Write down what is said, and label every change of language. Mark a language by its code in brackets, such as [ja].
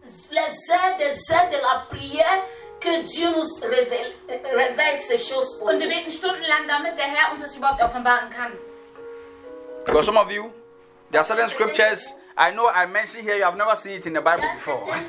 [fr] Les heures de la prière que Dieu nous révèle ces choses pour [de] nous. Und wir beten stundenlang, damit der Herr uns das überhaupt offenbaren kann. [en] Because some of you, there are certain scriptures I know I mentioned here, you have never seen it in the Bible before.